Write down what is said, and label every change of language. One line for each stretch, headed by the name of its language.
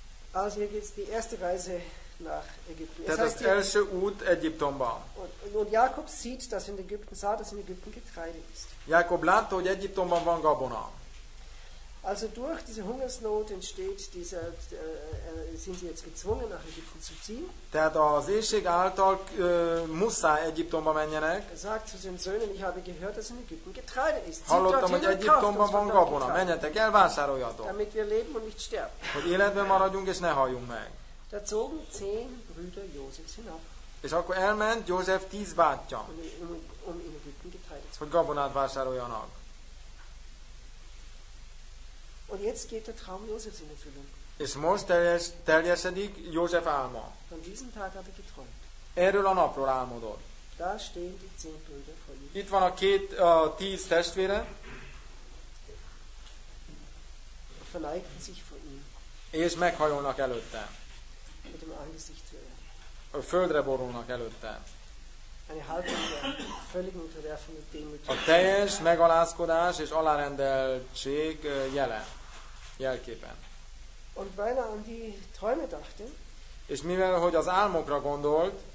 German: Also hier geht's die erste Reise nach Ägypten.
Hungarian: Tehát az első út Egyiptomba.
German: Und Jakob sieht, dass in Ägypten sah, dass in Ägypten Getreide ist.
Hungarian: Jakob látta, hogy Egyiptomban van gabona.
German: Also durch diese Hungersnot entsteht dieser, sind sie jetzt gezwungen, nach Ägypten zu ziehen.
Hungarian: Tehát az éhség által muszáj Egyiptomba menjenek.
German: Sagt zu seinen Söhnen, ich habe gehört, dass in Ägypten Getreide ist.
Hungarian: Hallottam, hogy Egyiptomban van gabona. Menjetek el, vásároljatok.
German: Damit wir leben und nicht sterben.
Hungarian: Hogy életben maradjunk és ne halljunk meg.
German: Da zogen 10 Brüder Josefs hinab.
Hungarian: És akkor elment József 10 bátyja.
German: Um in Ägypten Getreide
Hungarian: zu. Hogy gabonát vásároljanak.
German: Und jetzt geht der Traum Josefs in Erfüllung.
Hungarian: És most teljesedik József álma.
German: Von diesem Tag hat er geträumt.
Hungarian: Erről a napról álmodott.
German: Da stehen die 10 Brüder vor ihm.
Hungarian: Itt van a 10 testvére.
German: Verneigen sich vor ihm.
Hungarian: És meghajolnak előtte.
German: Mit dem Angesicht zu ihm.
Hungarian: A földre borulnak előtte.
German: Eine haltung der völligen Unterwerfung und Demut.
Hungarian: A teljes megalázkodás és alárendeltség jele. Jelképen.
German: Und weil er an die Träume dachte,
Hungarian: és mivel, hogy az álmokra gondolt,